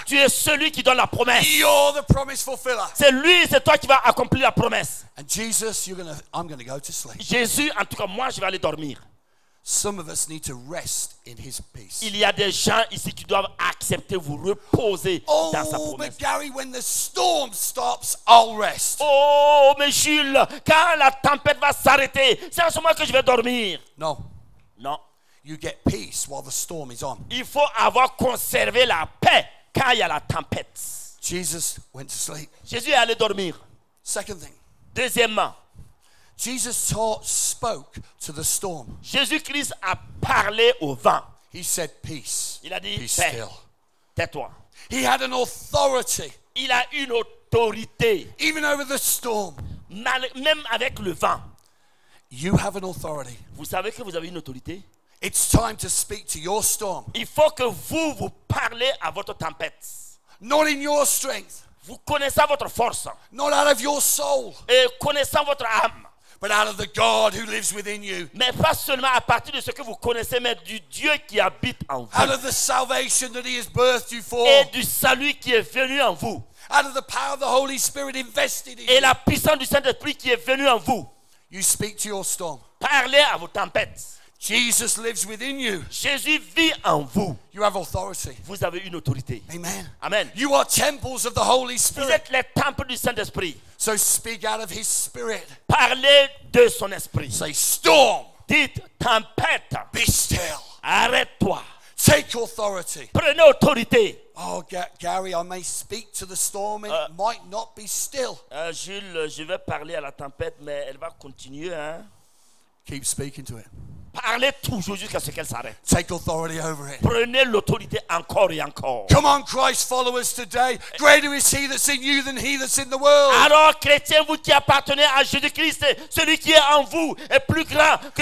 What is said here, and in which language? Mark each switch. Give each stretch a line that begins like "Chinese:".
French: Tu es celui qui donne la promesse.
English: You're the promise fulfiller.
French: C'est lui, c'est toi qui vas accomplir la promesse.
English: And Jesus, I'm gonna go to sleep.
French: Jésus, en tout cas, moi, je vais aller dormir.
English: Some of us need to rest in his peace.
French: Il y a des gens ici qui doivent accepter vous reposer oh, dans sa promesse.
English: But Gary, when the storm stops, I'll rest.
French: Oh, mais Jules, quand la tempête va s'arrêter, c'est en ce moment que je vais dormir. Non. Non.
English: You get peace while the storm is on.
French: Il faut avoir conservé la paix quand il y a la tempête.
English: Jesus went to sleep.
French: Jésus est allé dormir.
English: Second thing.
French: Deuxièmement.
English: Jesus taught, spoke to the storm.
French: Jésus-Christ a parlé au vent.
English: He said, peace.
French: Il a dit,
English: be still.
French: Tais-toi.
English: He had an authority.
French: Il a une autorité.
English: Even over the storm.
French: Même avec le vent.
English: You have an authority.
French: Vous savez que vous avez une autorité.
English: It's time to speak to your storm.
French: Il faut que vous parlez à votre tempête.
English: Not in your strength.
French: Vous connaissant votre force.
English: Not out of your soul.
French: Et connaissant votre âme.
English: But out of the God who lives within you.
French: Mais pas seulement à partir de ce que vous connaissez, mais du Dieu qui habite en vous.
English: Out of the salvation that he has birthed you for.
French: Et du salut qui est venu en vous.
English: Out of the power of the Holy Spirit invested in
French: et
English: you.
French: La puissance du Saint-Esprit qui est venu en vous.
English: You speak to your storm.
French: Parlez à vos tempêtes.
English: Jesus lives within you.
French: Jésus vit en vous.
English: You have authority.
French: Vous avez une autorité.
English: Amen.
French: Amen.
English: You are temples of the Holy Spirit.
French: Vous êtes les temples du Saint-Esprit.
English: So speak out of his spirit.
French: Parlez de son esprit.
English: Say storm.
French: Dites tempête.
English: Be still.
French: Arrête-toi.
English: Take authority.
French: Prenez autorité.
English: Oh, Gary, I may speak to the storm. It might not be still.
French: Jules, je vais parler à la tempête, mais elle va continuer. Hein?
English: Keep speaking to it.
French: Parlez toujours jusqu'à ce qu'elle s'arrête.
English: Take authority over it.
French: Prenez l'autorité encore et encore.
English: Come on, Christ followers today. Greater is he that's in you than he that's in the world.
French: Alors, chrétiens, vous qui appartenez à Jésus-Christ, celui qui est en vous est plus grand que